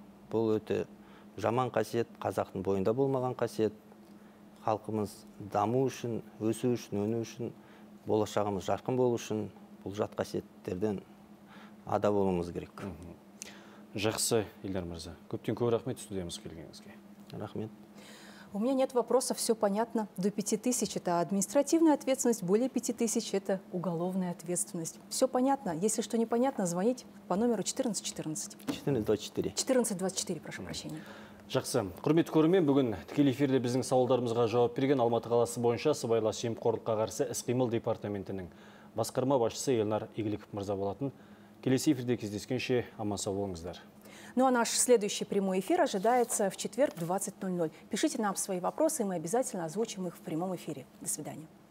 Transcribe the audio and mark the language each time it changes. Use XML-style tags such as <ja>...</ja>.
<kk>Бұл өте жаман қасиет, қазақтың бойында болмаған қасиет. Халқымыз даму үшін, өсу үшін, өну үшін, болашағымыз жарқын болу үшін бұл жат қасиеттерден ада болуымыз керек. Жақсы, Елдар мырза, көптен көп рахмет студиямызға келгеніңізге. Рахмет.</kk> <ru>У меня нет вопросов, все понятно. До 5000 это административная ответственность, более 5000 это уголовная ответственность. Все понятно. Если что непонятно, звоните по номеру 1414. 1424. 1424, прошу прощения.</ru> <kk>Жақсы. Құрметті көрермен, бүгін тікелей эфирде біздің сауалдарымызға жауап берген Алматы қаласы бойынша сыбайлас жемқорлыққа қарсы іс-қимыл департаментінің басқарма басшысы Елнар Игіліков мырза болатын. Келесі эфирде кездескенше аман сау болыңыздар.</kk> <ru>Ну а наш следующий прямой эфир ожидается в четверг в 20:00. Пишите нам свои вопросы, и мы обязательно озвучим их в прямом эфире. До свидания.</ru>